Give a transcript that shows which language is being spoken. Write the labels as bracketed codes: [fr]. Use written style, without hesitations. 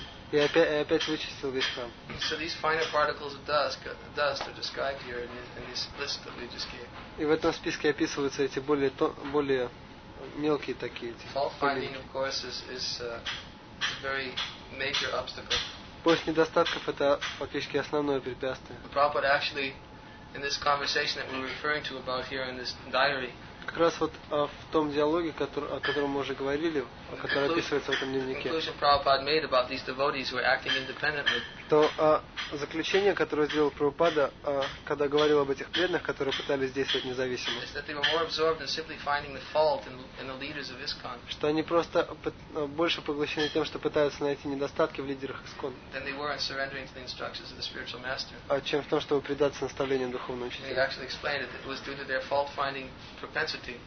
[en] And clean the whole temple all over again. So these finer particles of dust are described here in this list that we just gave. [ru] И в этом списке описываются эти более мелкие такие. [en] Fault finding, of course, is a very major obstacle. [ru] Поиск недостатков — это фактически основное препятствие. [en] Prabhupada actually in this conversation that we're referring to about here in this diary. [ru] Как раз вот в том диалоге, о котором мы уже говорили, который описывается в этом дневнике. [en] Conclusion Prabhupada made about these devotees who are acting independently. [ru] То заключение, которое сделал Прабхупада, когда говорил об этих преданных, которые пытались действовать независимо. [en] Is that they were more absorbed in simply finding the fault in the leaders of ISKCON. [ru] Что они просто больше поглощены тем, что пытаются найти недостатки в лидерах ISKCON. [en] Than they were in surrendering to the instructions of the spiritual master. [ru] А чем в том, чтобы предаться наставлениям духовного учителя. [en] He actually explained it. It was due to their fault-finding propensity.